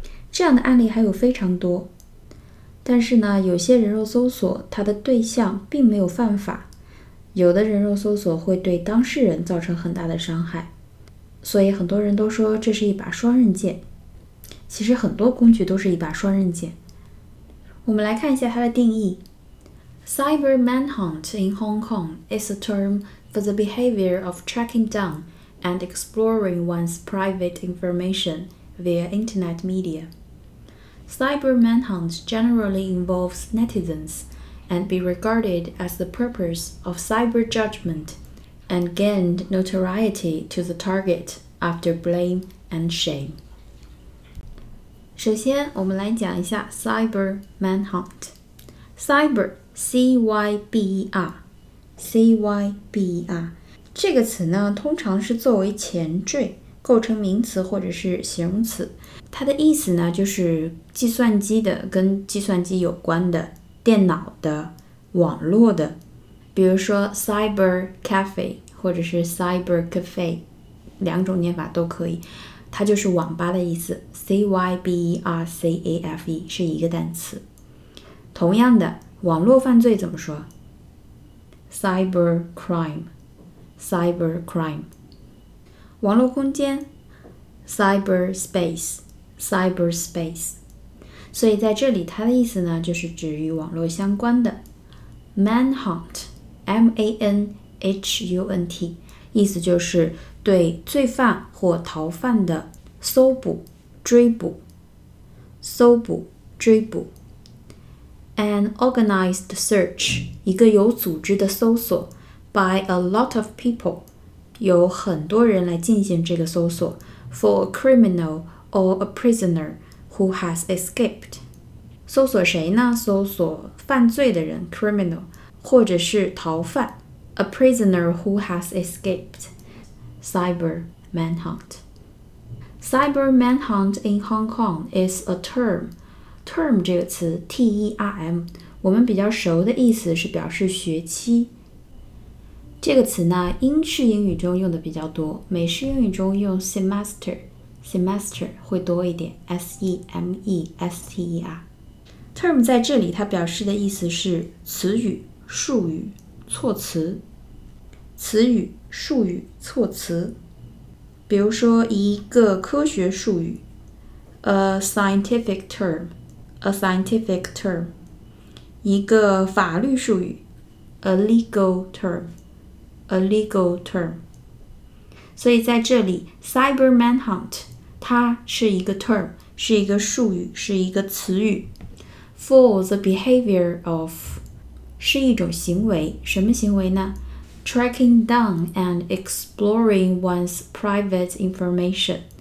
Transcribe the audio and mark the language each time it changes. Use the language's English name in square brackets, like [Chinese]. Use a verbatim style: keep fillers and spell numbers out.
[Chinese] 这样的案例还有非常多，但是呢，有些人肉搜索它的对象并没有犯法，有的人肉搜索会对当事人造成很大的伤害，所以很多人都说这是一把双刃剑。其实很多工具都是一把双刃剑。我们来看一下它的定义。 [English] Cyber manhunt in Hong Kong is a term for the behavior of tracking down and exploring one's private information via internet media. Cyber manhunt generally involves netizens and be regarded as the purpose of cyber judgment and gained notoriety to the target after blame and shame. [Chinese] 首先我们来讲一下 cyber manhunt。 cyber C Y B E R C Y B E R 这个词呢通常是作为前缀构成名词或者是形容词，它的意思呢就是计算机的、跟计算机有关的、电脑的、网络的，比如说 cyber cafe 或者是 cyber cafe， 两种念法都可以，它就是网吧的意思。 cybercafe 是一个单词。同样的，网络犯罪怎么说？ [English] cyber crime cyber crime。 [Chinese] 网络空间 cyber space cyber space。所以在这里它的意思呢就是指与网络相关的。 manhunt M A N H U N T 意思就是对罪犯或逃犯的搜捕、追捕。搜捕、追捕。 an organized search 一个有组织的搜索， [English] by a lot of people，有很多人来进行这个搜索 for a criminal or a prisoner who has escaped。 [Chinese] 搜索谁呢？搜索犯罪的人 criminal， 或者是逃犯 a prisoner who has escaped。 [English] Cyber manhunt Cyber manhunt in Hong Kong is a term. [Chinese] Term 这个词 T E R M 我们比较熟的意思是表示学期。这个词呢，英式英语中用的比较多，美式英语中用 semester semester 会多一点 S E M E S T E R。 Term 在这里它表示的意思是词语、术语、措辞。词语、术语、措辞。比如说一个科学术语 a scientific term a scientific term，一个法律术语 a legal term a legal term。所以在这里 cyber manhunt 它是一个 term， 是一个术语，是一个词语 for the behavior of 是一种行为。 [English] 什么行为呢？ Tracking down and exploring one's private information。